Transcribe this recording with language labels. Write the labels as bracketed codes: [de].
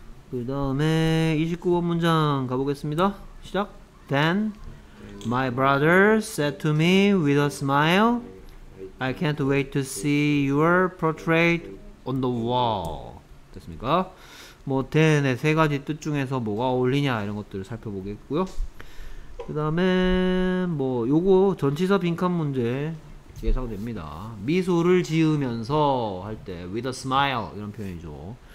[ko] 그 다음에 29번 문장 가보겠습니다. 시작. [en] Then my brother said to me with a smile, I can't wait to see your portrait on the wall. [ko] 됐습니까? 뭐 then의 세 가지 뜻 중에서 뭐가 어울리냐 이런 것들을 살펴보겠고요. 그 다음에 뭐 요거 전치사 빈칸 문제 예상됩니다. 미소를 지으면서 할 때 [en] with a smile [ko] 이런 표현이죠.